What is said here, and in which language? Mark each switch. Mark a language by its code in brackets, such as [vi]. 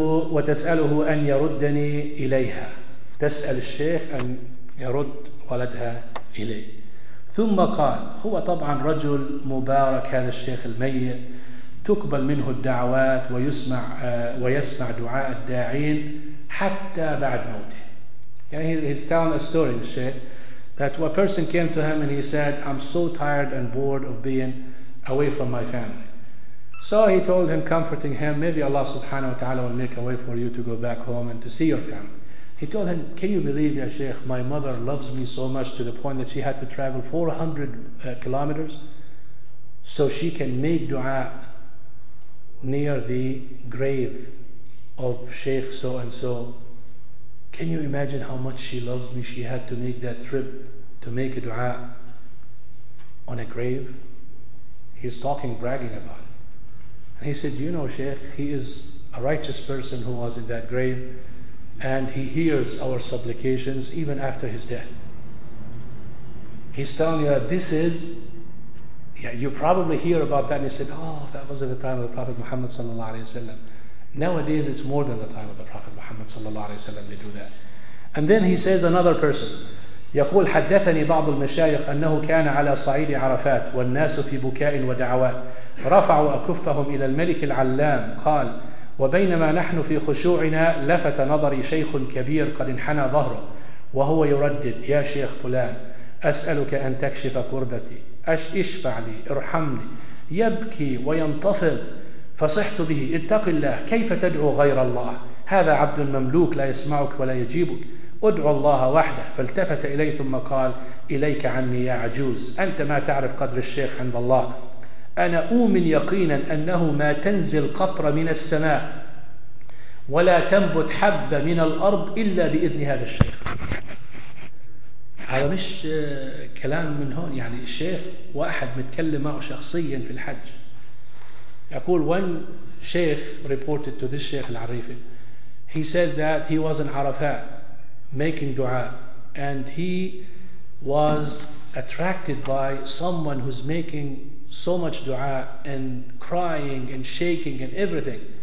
[ar] وتسأله أن يردني إليها تسأل الشيخ أن يرد ولدها إليه ثم قال هو طبعا رجل مبارك هذا الشيخ الميت تقبل منه الدعوات ويسمع دعاء الداعين حتى بعد موته. [en] Yeah, he's telling a story, the Sheikh, that a person came to him and he said, I'm so tired and bored of being away from my family. So he told him, comforting him, maybe Allah subhanahu wa ta'ala will make a way for you to go back home and to see your family. He told him, can you believe, ya Sheikh, my mother loves me so much to the point that she had to travel 400 kilometers so she can make dua near the grave of Sheikh so and so. Can you imagine how much she loves me? She had to make that trip to make a dua on a grave. He's talking, bragging about it. And he said, you know, Sheikh, he is a righteous person who was in that grave, and he hears our supplications even after his death. He's telling you that this is, yeah, you probably hear about that, and he said, oh, that was at the time of the Prophet Muhammad sallallahu alaihi wasallam. Nowadays it's more than the time of the Prophet Muhammad sallallahu alaihi wasallam they do that. And then he says another person, [ar] يقول حدثني بعض المشايخ أنه كان على صعيد عرفات والناس في بكاء ودعوات رفعوا أكفهم إلى الملك العلام قال وبينما نحن في خشوعنا لفت نظري شيخ كبير قد انحنى ظهره وهو يردد يا شيخ فلان أسألك أن تكشف كربتي اشفع لي ارحمني يبكي وينتفض فصحت به اتق الله كيف تدعو غير الله هذا عبد مملوك لا يسمعك ولا يجيبك ادعو الله وحده فالتفت إلي ثم قال إليك عني يا عجوز أنت ما تعرف قدر الشيخ عند الله أنا أؤمن يقينا أنه ما تنزل قطرة من السماء ولا تنبت حبة من الأرض إلا بإذن هذا الشيخ. هذا مش كلام من هون, يعني الشيخ واحد متكلم معه شخصيا في الحج. يقول [en] one sheikh reported to this sheikh al-Arifi, he said that he was in Arafat making dua and he was attracted by someone who's making so much dua and crying and shaking and everything,